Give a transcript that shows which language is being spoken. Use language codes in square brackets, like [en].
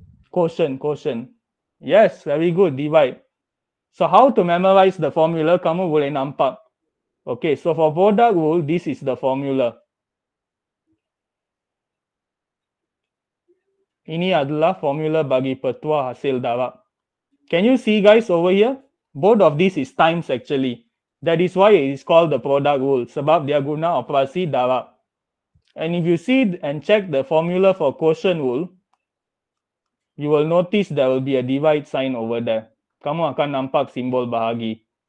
[en] Quotient. Yes, very good, divide. So how to memorize the formula, [ms] kamu boleh nampak. [en] Okay, so for product rule, this is the formula. [ms] Ini adalah formula bagi pertuah hasil darab. [en] Can you see guys over here? Both of these is times actually. That is why it is called the product rule. [ms] Sebab dia guna operasi darab. [en] And if you see and check the formula for quotient rule, you will notice there will be a divide sign over there. [ms] Kamu akan nampak simbol bahagi.